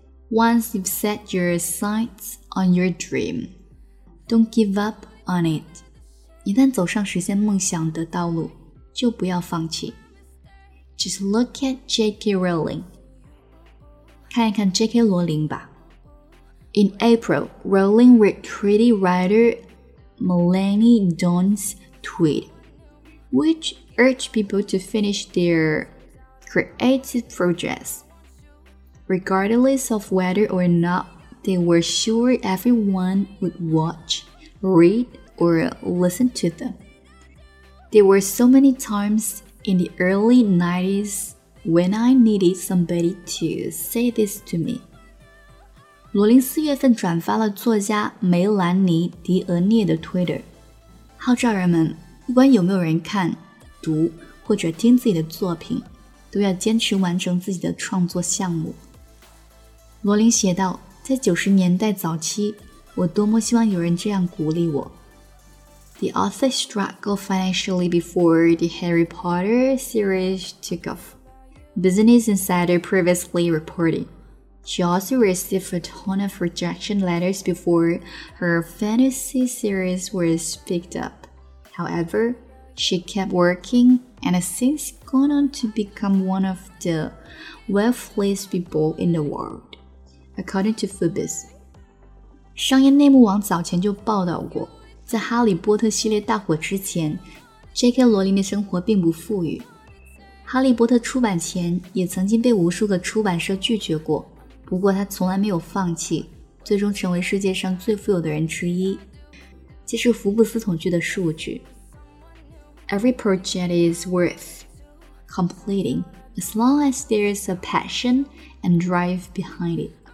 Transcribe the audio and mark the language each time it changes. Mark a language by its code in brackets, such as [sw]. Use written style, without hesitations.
[en] Once you've set your sights on your dream, don't give up on it. [zh] 一旦走上实现梦想的道路，就不要放弃。 [en] Just look at J.K. Rowling. [zh] 看一看 J.K. 罗琳吧。 [en] In April, Rowling retweeted writer Melanie Dawn's tweet, which urged people to finish their creative projects. Regardless of whether or not they were sure everyone would watch, read, or listen to them. There were so many times in the early 90s when I needed somebody to say this to me. [zh] 罗琳四月份转发了作家梅兰妮·迪俄涅的 Twitter， 号召人们不管有没有人看、读或者听自己的作品，都要坚持完成自己的创作项目。罗琳写道，在90年代早期，我多么希望有人这样鼓励我。 [en] The author struggled financially before the Harry Potter series took off. Business Insider previously reported. She also received a ton of rejection letters before her fantasy series was picked up. However, she kept working and has since gone on to become one of the wealthiest people in the world. According to Forbes， [zh] 商业内幕网早前就报道过，在《哈利波特》系列大火之前 ，J.K. 罗琳的生活并不富裕。 《哈利波特》出版前也曾经被无数个出版社拒绝过，不过他从来没有放弃，最终成为世界上最富有的人之一。这是福布斯统计的数据。 [en] Every project is worth completing as long as there is a passion and drive behind it.